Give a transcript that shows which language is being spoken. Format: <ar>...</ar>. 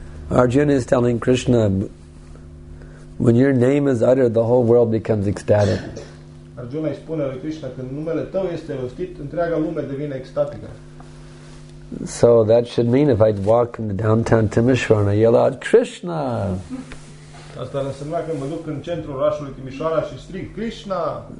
<en>Arjuna is telling Krishna, when your name is uttered, the whole world becomes ecstatic.</en> <ro>Arjuna spune lui Krishna, când numele tău este rostit, întreaga lume devine ecstatică.</ro> <en>So that should mean if I'd walk in the downtown Timișoara and I yell out, Krishna!</en> <ro>Asta ar însemna că mă duc în centrul orașului Timișoara și strig, Krishna!</ro>